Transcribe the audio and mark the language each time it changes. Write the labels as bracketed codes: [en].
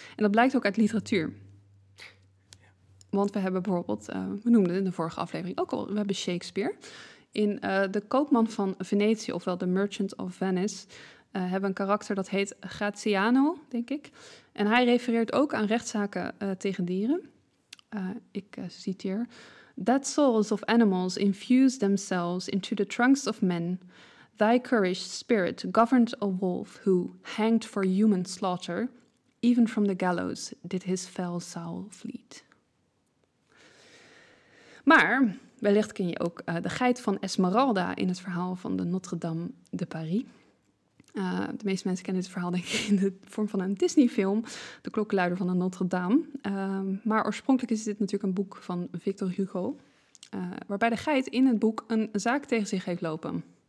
[nl] En dat blijkt ook uit literatuur. Want we hebben bijvoorbeeld, we noemden het in de vorige aflevering ook al, we hebben Shakespeare. In De Koopman van Venetië, ofwel The Merchant of Venice, hebben we een karakter dat heet Graziano, denk ik. En hij refereert ook aan rechtszaken tegen dieren. Ik citeer: [en] "That souls of animals infuse themselves into the trunks of men, thy courage spirit governed a wolf who, hanged for human slaughter, even from the gallows did his fell soul fleet." Maar [nl] Wellicht ken je ook de geit van Esmeralda in het verhaal van de Notre Dame de Paris. De meeste mensen kennen het verhaal denk ik in de vorm van een Disney-film, De Klokkenluider van de Notre Dame. Maar oorspronkelijk is dit natuurlijk een boek van Victor Hugo, waarbij de geit in het boek een zaak tegen zich heeft lopen.